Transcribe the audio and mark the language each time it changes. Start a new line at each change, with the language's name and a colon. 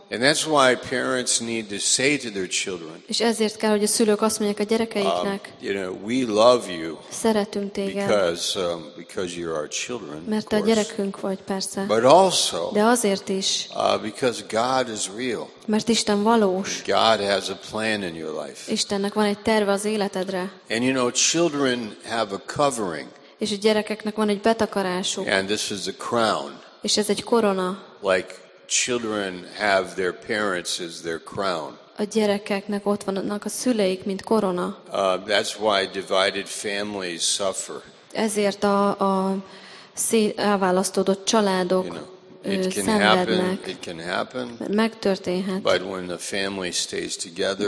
English: And that's why parents need to say to their children.
Hungarian: És ezért kell, hogy a szülők azt mondják a gyerekeiknek.
English: You know, we love you.
Hungarian: Szeretünk téged.
English: Because you're our children.
Hungarian: Mert te a gyerekünk vagy, persze.
English: But also.
Hungarian: De azért is.
English: Because God is real.
Hungarian: Mert Isten valós.
English: God has a plan in your life.
Hungarian: Istennek van egy terve az életedre.
English: And you know, children have a covering.
Hungarian: És a gyerekeknek van egy betakarásuk.
English: And this is a crown.
Hungarian: És ez egy korona.
English: Like children have their parents as their crown.
Hungarian: A gyerekeknek ott vannak a szüleik, mint korona.
English: That's why divided families suffer.
Hungarian: Ezért a elválasztódott családok szenvednek.
English: It can happen.
Hungarian: Megtörténhet.
English: But when the family stays together,